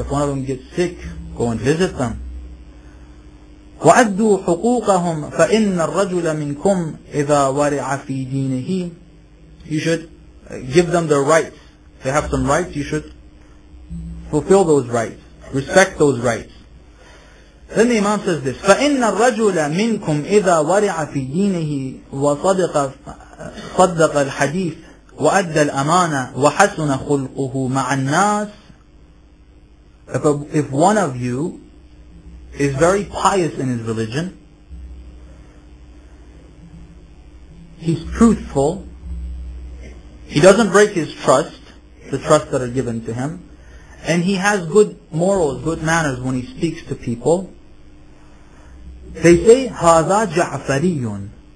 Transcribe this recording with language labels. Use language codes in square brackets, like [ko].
[en] If one of them gets sick, go and visit them. [ar] وَأَدُّوا حُقُوقَهُمْ. فَإِنَّ الرَّجُلَ مِنْكُمْ إِذَا وَرِعَ فِي دِينِهِ. [en] You should give them their rights. If they have some rights, you should fulfill those rights. Respect those rights. Then the Imam says this, [ar] فَإِنَّ الرَّجُلَ مِنْكُمْ إِذَا وَرِعَ فِي دِينِهِ وَصَدَّقَ الْحَدِيثِ وَأَدَّ الْأَمَانَ وَحَسُنَ خُلْقُهُ مَعَ النَّاسِ. [en] If one of you is very pious in his religion, he's truthful, he doesn't break his trust, the trust that are given to him, and he has good morals, good manners when he speaks to people, they say, [ar] هَذَا جَعْفَرِيٌ.